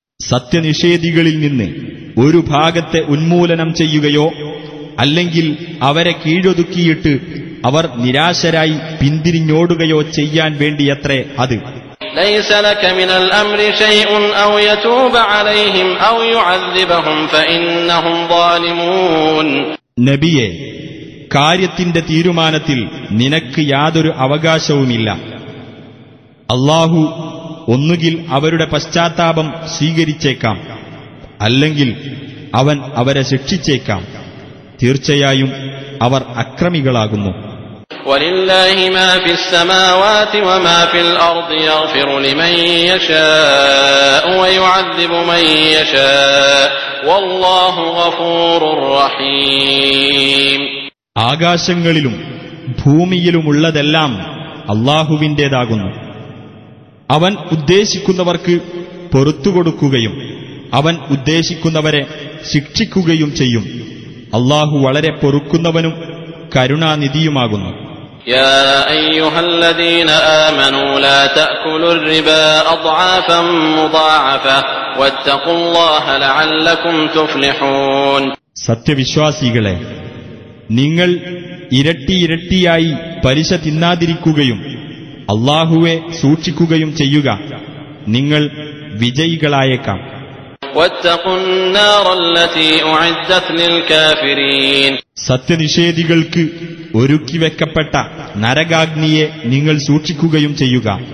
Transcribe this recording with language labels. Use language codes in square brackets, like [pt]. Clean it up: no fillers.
[ml] സത്യനിഷേധികളിൽ നിന്ന് ഒരു ഭാഗത്തെ ഉന്മൂലനം ചെയ്യുകയോ അല്ലെങ്കിൽ അവരെ കീഴൊതുക്കിയിട്ട് അവർ നിരാശരായി പിന്തിരിഞ്ഞോടുകയോ ചെയ്യാൻ വേണ്ടിയത്രേ അത്. [ar] ليس لك من الامر شيء او يتوب عليهم او يعذبهم فانهم ظالمون. [ml] നബിയെ, കാര്യത്തിന്റെ തീരുമാനത്തിൽ നിനക്ക് യാതൊരു അവകാശവുമില്ല. അല്ലാഹു ഒന്നുകിൽ അവരുടെ പശ്ചാത്താപം സ്വീകരിച്ചേക്കാം, അല്ലെങ്കിൽ അവൻ അവരെ ശിക്ഷിച്ചേക്കാം. തീർച്ചയായും അവർ അക്രമികളാകുന്നു. [ar] وَلِلَّهِ مَا فِي السَّمَاوَاتِ وَمَا فِي الْأَرْضِ يَغْفِرُ لِمَن يَشَاءُ وَيُعَذِّبُ مَن يَشَاءُ وَاللَّهُ غَفُورٌ رَّحِيمٌ. [ml] ആകാശങ്ങളിലും ഭൂമിയിലും ഉള്ളതെല്ലാം അല്ലാഹുവിന്റേതാകുന്നു. അവൻ ഉദ്ദേശിക്കുന്നവർക്ക് പൊറുത്തുകൊടുക്കുകയും അവൻ ഉദ്ദേശിക്കുന്നവരെ ശിക്ഷിക്കുകയും ചെയ്യും. അല്ലാഹു വളരെ പൊറുക്കുന്നവനും കരുണാനിധിയുമാകുന്നു. [ar] يا ايها الذين امنوا لا تاكلوا الربا اضعافا مضاعفه واتقوا الله لعلكم تفلحون. [ml] സത്യവിശ്വാസികളെ, നിങ്ങൾ ഇരട്ടി ഇരട്ടിയായി പലിശ തിന്നാതിരിക്കുകയും അല്ലാഹുവെ സൂക്ഷിക്കുകയും ചെയ്യുക, നിങ്ങൾ വിജയികളായേക്കാം. [ar] واتقوا النار التي اعدت للكافرين. [ml] സത്യനിഷേധികൾക്ക് ഒരുക്കി വെക്കപ്പെട്ട നരകാഗ്നിയെ നിങ്ങൾ സൂക്ഷിക്കുകയും ചെയ്യുക.